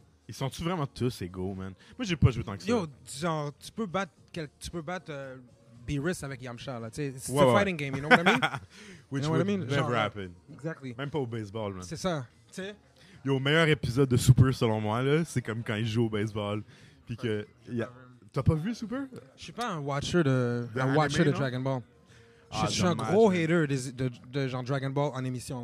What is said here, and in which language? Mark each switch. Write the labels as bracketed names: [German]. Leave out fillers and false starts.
[French] Ils sont-tu vraiment tous égaux, man? Moi, j'ai pas joué tant que ça. Yo, genre, tu peux battre Beerus avec Yamcha, là. T'sais, [English] it's a fighting game, you know what I mean? Which you know would what I mean? Never happen. Exactly. [French] Même pas au baseball, man. C'est ça, tu sais. Yo, meilleur épisode de Super, selon moi, là, c'est comme quand ils jouent au baseball. Puis que... T'as pas vu Super? Je suis pas un watcher de Dragon Ball. Je suis un gros hater de Dragon Ball en émission.